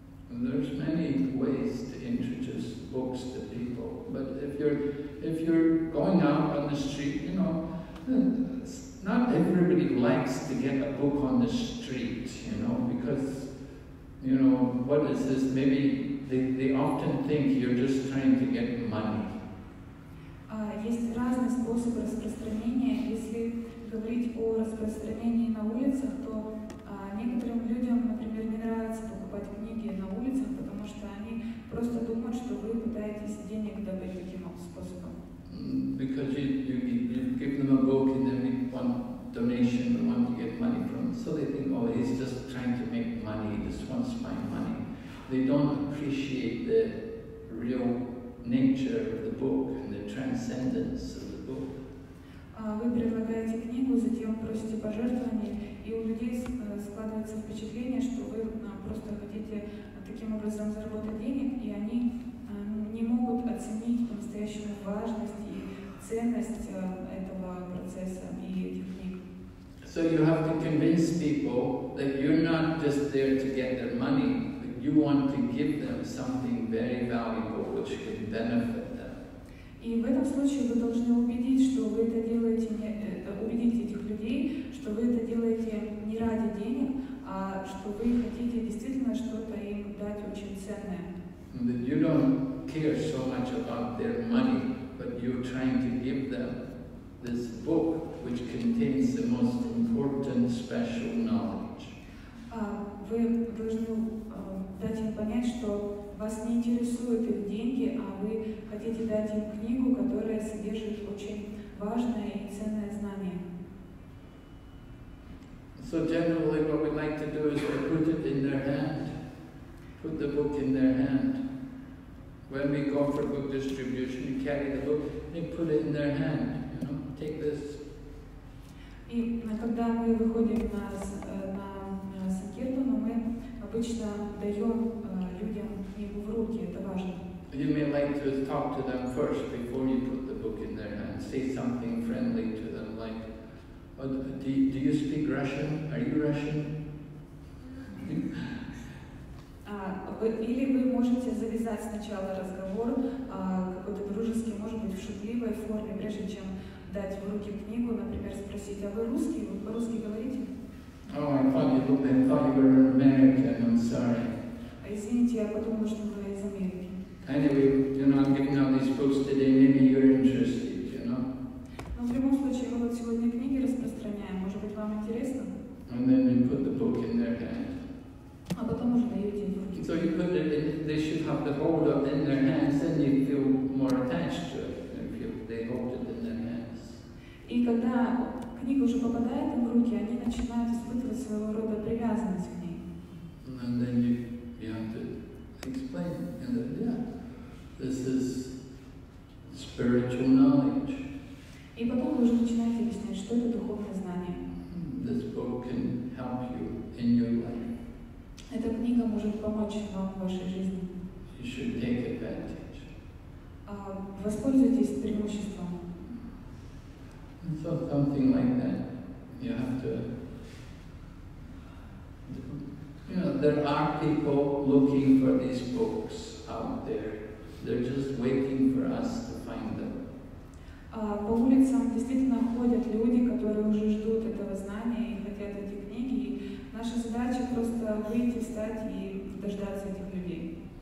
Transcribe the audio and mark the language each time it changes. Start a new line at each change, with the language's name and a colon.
English: There's many ways to introduce books to people, but if you're going out on the street, you know, not everybody likes to get a book on the street, you know, because, you know, what is this? Maybe they often think you're just trying to get money.
Russian: Есть разные способы распространения. Если говорить о распространении на улицах, то некоторым людям, например, не нравится покупать книги на улицах, потому что они просто думают, что вы пытаетесь денег добыть таким способом.
English: Because you give them a book and then make one donation and want to get money from it. So they think, oh, he's just trying to make money, he just wants my money. They don't appreciate the real nature of the book and the transcendence of the book.
Russian: Вы предлагаете книгу, затем просите пожертвования, и у людей складывается впечатление, что вы просто хотите таким образом заработать денег, и они не могут оценить по-настоящему важность и ценность этого процесса и этих книг.
English: So you have to convince people that you're not just there to get their money, but you want to give them something very valuable which can benefit.
Russian: И в этом случае вы должны убедить, что вы это делаете, не, убедить этих людей, что вы это делаете не ради денег, а что вы хотите действительно что-то им дать очень ценное.
English: That you don't care so much about their money, but you're trying to give them this book, which contains the most important special knowledge.
Russian: Вы должны дать им понять, что вас не интересуют их деньги, а вы хотите дать им книгу, которая содержит очень важное и ценное знание.
English: So generally what we like to do is we put it in their hand, put the book in their hand. When we go for book distribution, you carry the book, they put it in their hand, you know, take this.
Russian: И когда мы выходим на Санкиртану, мы обычно даем людям книгу в руки, это важно.
English: You may like to talk to them first before you put the book in their hand. Say something friendly to them, like, oh, do you speak Russian? Are you Russian?
Russian: Или вы можете завязать сначала разговор какой-то дружеский, может быть, в шутливой форме, прежде чем дать в руки книгу, например, спросить, а вы русский? Вы по-русски говорите?
English: Oh, I thought you were American, I'm sorry.
Russian: Извините, я подумала, что вы из Америки.
English: Anyway, you know, I'm giving out these books today, maybe you're interested, you know?
Russian: Но в любом случае, мы вот сегодня книги распространяем, может быть, вам интересно?
English: And then you put the book in their hand.
Russian: А потом уже даете руки.
English: So you put it in, they should have the holder in their hands, then you feel more attached to it, if they hold it in their hands.
Russian: И когда книга уже попадает им в руки, они начинают испытывать своего рода привязанность к ней.
English: And then you have to explain, and then, yeah, this is spiritual knowledge.
Russian: И потом вы уже начинаете объяснять, что это духовное знание.
English: This book can help you in your life.
Russian: Эта книга может помочь вам в вашей жизни.
English: You should take advantage.
Russian: Воспользуйтесь преимуществом.
English: So something like that. You have to, you know, there are people looking for these books out there. They're just waiting for us to find them.
Russian: По улицам действительно ходят люди, которые уже ждут этого знания и хотят эти книги. И наша задача просто выйти, встать и дождаться этих людей.